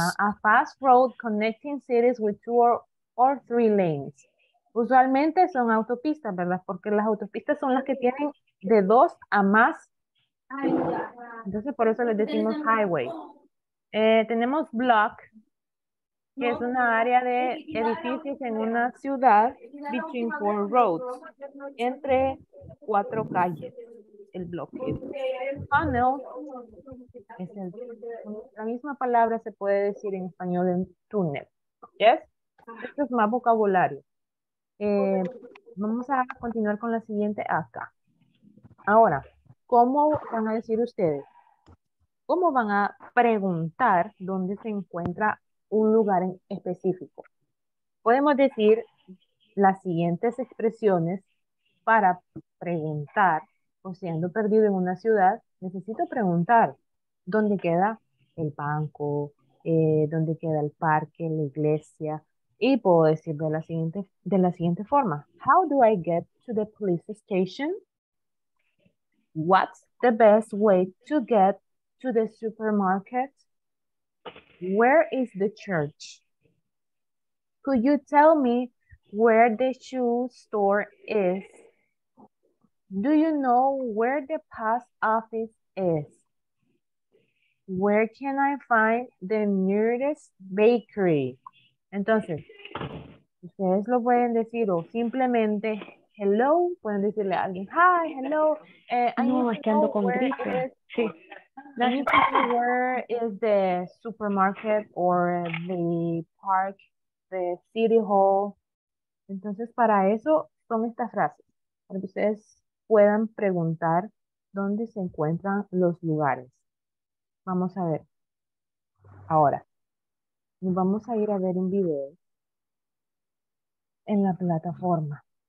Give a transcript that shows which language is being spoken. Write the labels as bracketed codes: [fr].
[en] A fast road connecting cities with two or three lanes. [es] Usualmente son autopistas, ¿verdad? Porque las autopistas son las que tienen de dos a más. Entonces, por eso les decimos highway. Tenemos block, que es una área de edificios en una ciudad, [en] between four roads, [es] entre cuatro calles, el bloque. Funnel, es el, la misma palabra se puede decir en español en túnel. ¿Yes? Esto es más vocabulario. Vamos a continuar con la siguiente acá. Ahora, ¿cómo van a decir ustedes? ¿Cómo van a preguntar dónde se encuentra un lugar en específico? Podemos decir las siguientes expresiones para preguntar, o si ando perdido en una ciudad, necesito preguntar dónde queda el banco, dónde queda el parque, la iglesia. Y puedo decir de la siguiente forma. [en] How do I get to the police station? What's the best way to get to the supermarket? Where is the church? Could you tell me where the shoe store is? Do you know where the post office is? Where can I find the nearest bakery? [es] Entonces, Ustedes lo pueden decir o simplemente hello, pueden decirle a alguien hi, hello. No, es que ando con gripe. Sí. [en] Where is the supermarket or the park, the city hall? [es] Entonces, para eso son estas frases. Para que ustedes puedan preguntar dónde se encuentran los lugares. Vamos a ver. Ahora, vamos a ir a ver un video en la plataforma.